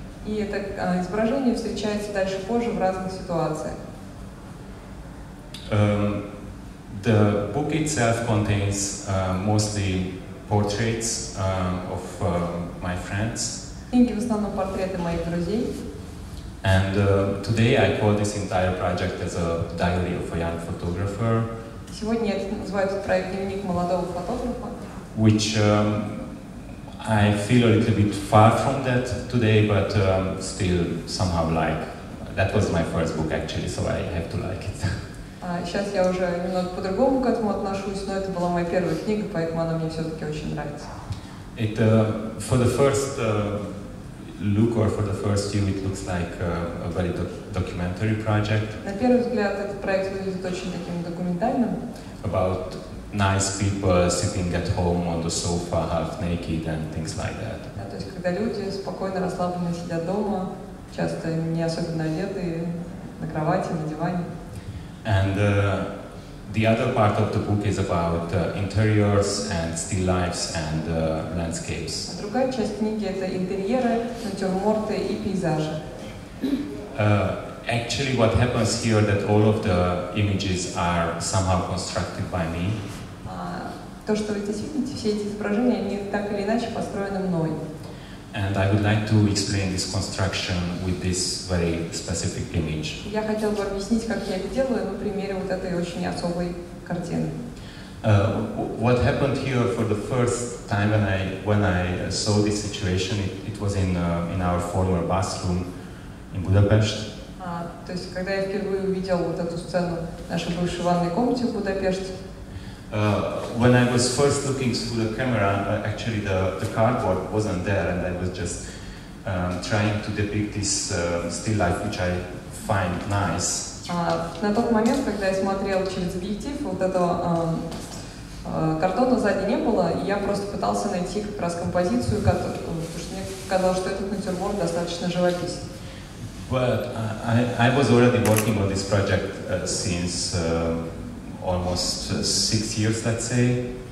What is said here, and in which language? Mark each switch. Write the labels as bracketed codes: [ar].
[ru] И это изображение встречается дальше позже в разных ситуациях. [en] The book itself contains mostly portraits of my friends. [ru] Книги в основном портреты моих друзей. [en] And today I call this entire project as a diary of a young photographer. [ru] Сегодня я называю этот проект дневник молодого фотографа. [en] Which I feel a little bit far from that today, but still somehow like that was my first book actually, so I have to like it. [ru] Сейчас я уже немного по-другому к этому отношусь, но это была моя первая книга, поэтому она мне все-таки очень нравится. [en] It for the first look or for the first view, it looks like a very documentary project. [ru] На первый взгляд этот проект выглядит очень таким документальным. [en] About nice people sitting at home on the sofa, half naked, and things like that. [ru] Да, то есть когда люди спокойно, расслабленно сидят дома, часто не особенно одетые, на кровати, на диване. [en] And the other part of the book is about interiors and still lifes and landscapes. [ru] А другая часть книги — это интерьеры, натюрморты и пейзажи. [en] Actually, what happens here that all of the images are somehow constructed by me. [ru] То, что вы здесь видите, все эти изображения, они так или иначе построены мной. [en] And I would like to explain this construction with this very specific image. [ru] Я хотел бы объяснить, как я это делаю на примере вот этой очень особой картины. [en] What happened here for the first time when I saw this situation, it was in our former bathroom in Budapest. [ru] То есть когда я впервые увидел вот эту сцену в нашей бывшей ванной комнате в Будапеште. [en] When I was first looking through the camera, actually the cardboard wasn't there, and I was just trying to depict this still life, which I find nice. [ru] На тот момент, когда я смотрел через объектив, вот этого картона сзади не было, и я просто пытался найти как раз композицию, потому что мне казалось, что этот натюрморт достаточно живописный. [en] But I was already working on this project since almost 6 years, let's say.